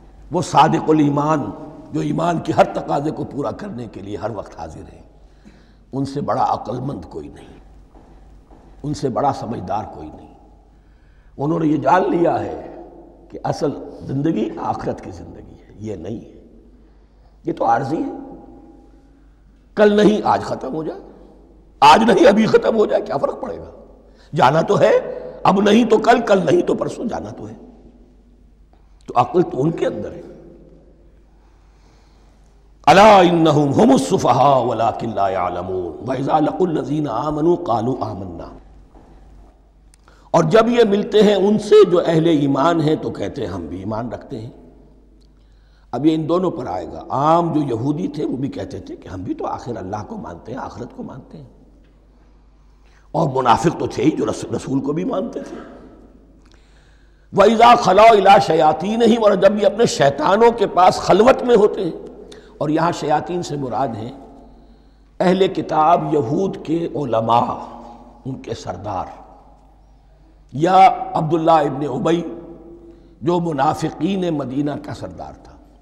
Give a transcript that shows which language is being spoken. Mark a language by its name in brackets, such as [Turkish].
[Urdu] وہ صادق الایمان جو ایمان کی ہر تقاضے کو پورا کرنے کے لیے ہر وقت حاضر ہیں، ان سے بڑا عقل مند کوئی نہیں، ان سے بڑا سمجھدار کوئی نہیں، انہوں نے یہ جان لیا ہے کہ اصل زندگی آخرت کی زندگی، یہ نہیں ہے، یہ تو عارضی ہے، کل نہیں آج ختم ہو جائے، آج نہیں ابھی ختم ہو جائے، کیا فرق پڑے گا، جانا تو ہے اب نہیں تو کل، کل نہیں تو پرسوں، جانا تو ہے، تو عقل تو ان کے اندر ہے. [Arabic] الا انهم هم السفهاء ولكن لا يعلمون واذا لقوا الذين امنوا قالوا آمنا. [Urdu] اور جب یہ ملتے ہیں ان سے جو اہل ایمان ہیں تو کہتے ہیں ہم بھی ایمان رکھتے ہیں. اب یہ ان دونوں پر آئے گا. عام جو یہودی تھے وہ بھی کہتے تھے کہ ہم بھی تو آخر اللہ کو مانتے ہیں, آخرت کو مانتے ہیں. اور منافق تو تھے ہی جو رسول کو بھی مانتے تھے. [Arabic] وَإِذَا خَلَوْا إِلَى شَيَاطِينِهِمْ, [Urdu] اور جب یہ اپنے شیطانوں کے پاس خلوت میں ہوتے ہیں, اور یہاں شیاطین سے مراد ہیں اہل کتاب یہود کے علماء, ان کے سردار, یا عبداللہ ابن ابی جو منافقین مدینہ کا سردار تھا.